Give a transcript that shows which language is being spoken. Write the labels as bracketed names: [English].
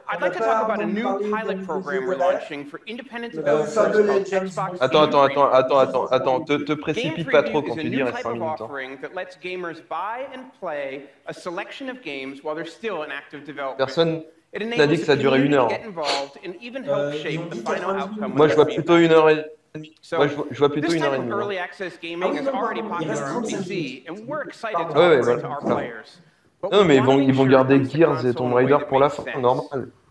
[English] I'd like to talk about a new pilot program we're launching for independent developers. [French] Attends, te précipite pas trop quand tu dis reste 5 minutes. [English] That lets gamers buy and play a selection of games while they're still in active development. [French] Personne n'a dit que ça durait 1 heure. Moi, je vois plutôt 1 heure et je vois plutôt une heure et demie. [English] Early access gaming is already popular on PC and we're excited to offer to our players. [French] Non, mais ils vont garder Gears et Tomb Raider pour la fin, normal.